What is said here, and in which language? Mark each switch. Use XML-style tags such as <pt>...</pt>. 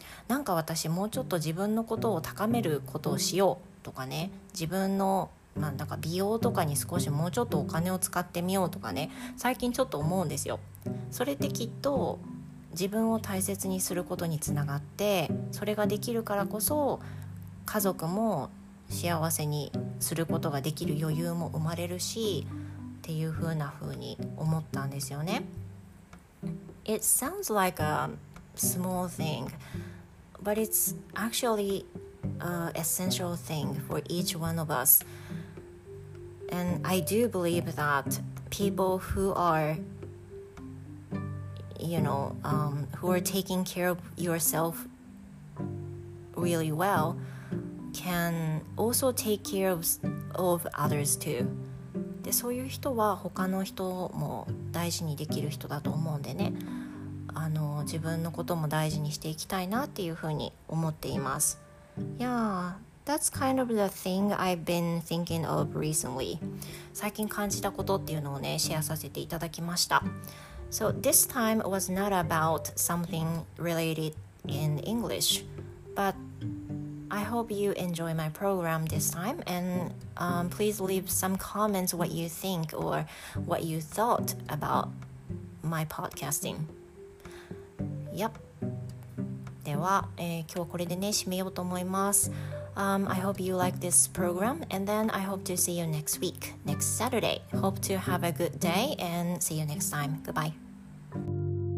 <ja>なんか私もうちょっと自分のことを高めることをしようとかね自分のまあ、なんか美容とかに少しもうちょっとお金を使ってみようとかね最近ちょっと思うんですよそれってきっと自分を大切にすることにつながってそれができるからこそ家族も幸せにすることができる余裕も生まれるしっていう風な風に思ったんですよね</ja> <en>It sounds like a small thing but it's actually an essential thing for each one of usAnd I do believe that people who are, you know, who are taking care of yourself really well can also take care of others too.</en> <ja>で、そういう人は他の人も大事にできる人だと思うんでね。あの、自分のことも大事にしていきたいなっていうふうに思っています。</ja> <en>Yeah. That's kind of the thing I've been thinking of recently.</en> <ja>最近感じたことっていうのをね、シェアさせていただきました。</ja> <en>So this time was not about something related in English, but I hope you enjoy my program this time, and please leave some comments what you think or what you thought about my podcasting. Yep.</en> <ja>では、今日これでね、締めようと思います。</ja> <en>I hope you like this program, and then I hope to see you next week, next Saturday. Hope to have a good day, and see you next time. Goodbye.</en>